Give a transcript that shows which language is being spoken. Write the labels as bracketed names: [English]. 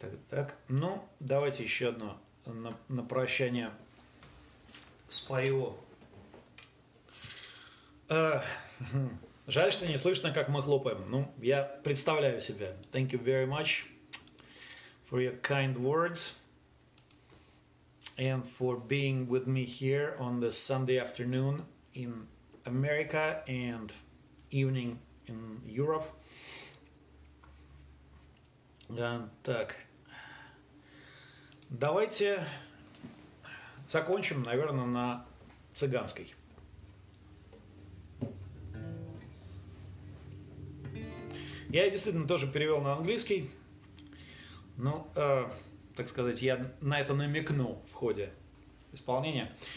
[Russian] Так. Ну, давайте еще одно на прощание спою. Жаль, что не слышно, как мы хлопаем. Ну, я представляю себя. [English] Thank you very much for your kind words. And for being with me here on this Sunday afternoon in America and evening in Europe. [Russian] Так, давайте закончим, наверное, на цыганской. Я действительно тоже перевел на английский. Ну, так сказать, я на это намекнул в ходе исполнения.